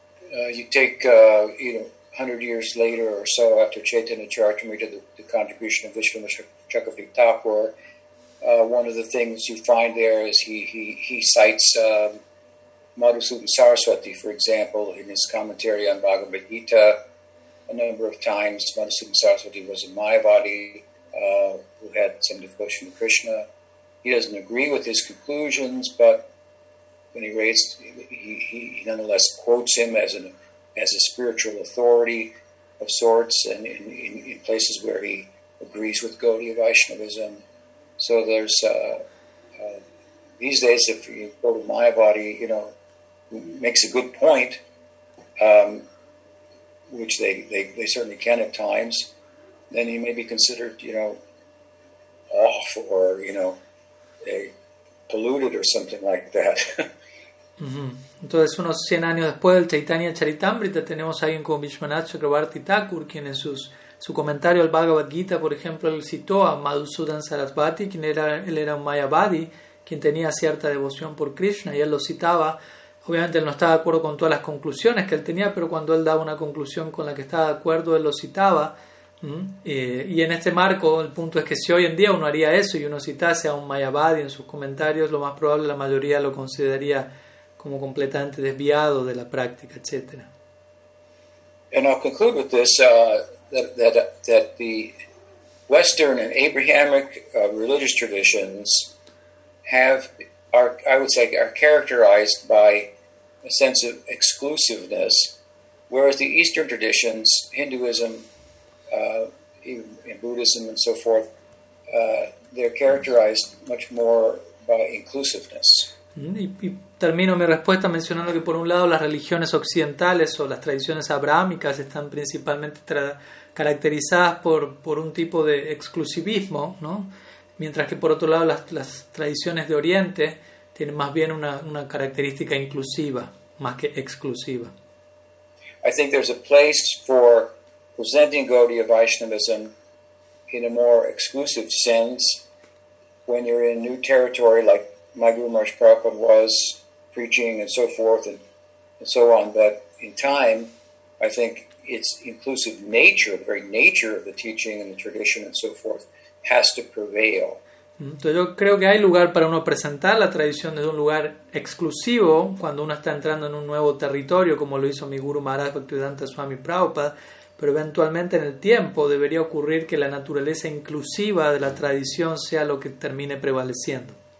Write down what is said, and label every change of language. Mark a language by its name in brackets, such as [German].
[English] You take, 100 years later or so after Chaitanya Charitamrita, the contribution of Vishwanatha Chakravarti Thakur, one of the things you find there is he cites Madhusudan Saraswati, for example, in his commentary on Bhagavad Gita a number of times. Madhusudan Saraswati was a Mayavadi who had some devotion to Krishna. He doesn't agree with his conclusions, but when he raised, he nonetheless quotes him as a spiritual authority of sorts, and in places where he agrees with Gaudiya Vaishnavism. So there's these days, if you go to Mayavadi, you know, who makes a good point, which they certainly can at times, then he may be considered, you know, off, or, you know, polluted or something like that. [Spanish] Entonces, unos 100 años después del Chaitanya Charitamrita, tenemos a alguien como Vishwanatha Chakravarti Thakur, quien en su comentario al Bhagavad Gita, por ejemplo, él citó a Madhusudan Sarasvati, él era un Mayavadi, quien tenía cierta devoción por Krishna, y él lo citaba. Obviamente, él no estaba de acuerdo con todas las conclusiones que él tenía, pero cuando él daba una conclusión con la que estaba de acuerdo, él lo citaba. Y en este marco, el punto es que si hoy en día uno haría eso y uno citase a un Mayavadi en sus comentarios, lo más probable, la mayoría lo consideraría como completamente desviado de la práctica, etc. [English] And I'll conclude with this, that the Western and Abrahamic religious traditions are characterized by a sense of exclusiveness, whereas the Eastern traditions, Hinduism, even Buddhism and so forth, they're characterized much more by inclusiveness. [Spanish] Y termino mi respuesta mencionando que, por un lado, las religiones occidentales o las tradiciones abrahámicas están principalmente caracterizadas por un tipo de exclusivismo, ¿no?, mientras que, por otro lado, las tradiciones de Oriente tienen más bien una característica inclusiva más que exclusiva. [English] I think there's a place for presenting Gaudiya Vaishnavism in a more exclusive sense when you're in new territory, like my Guru Maharaj Prabhupada was preaching and so forth and so on. But in time, I think its inclusive nature, the very nature of the teaching and the tradition and so forth, has to prevail. [Spanish] Entonces, yo creo que hay lugar para uno presentar la tradición desde un lugar exclusivo cuando uno está entrando en un nuevo territorio, como lo hizo mi Guru Maharaj Bhaktivedanta Swami Prabhupada, pero eventualmente en el tiempo debería ocurrir que la naturaleza inclusiva de la tradición sea lo que termine prevaleciendo.